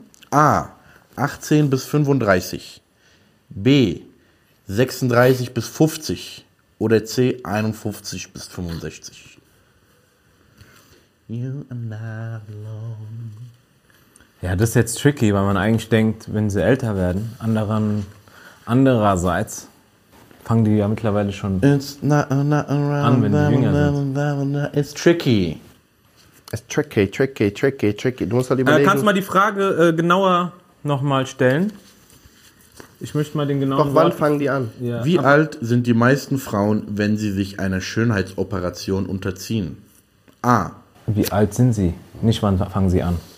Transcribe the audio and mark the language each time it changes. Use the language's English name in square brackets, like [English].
[German] A. 18 bis 35, B, 36 bis 50 oder C, 51 bis 65. [English] You are not alone. [German] Ja, das ist jetzt tricky, weil man eigentlich denkt, wenn sie älter werden, andererseits fangen die ja mittlerweile schon [English] It's tricky. It's tricky, tricky, tricky, tricky. [German] Du musst halt überlegen. Kannst du mal die Frage genauer nochmal stellen. Ich möchte mal den genauen. Doch, wann fangen die an? Ja. Wie alt sind die meisten Frauen, wenn sie sich einer Schönheitsoperation unterziehen? A. Wie alt sind sie? Nicht, wann fangen sie an?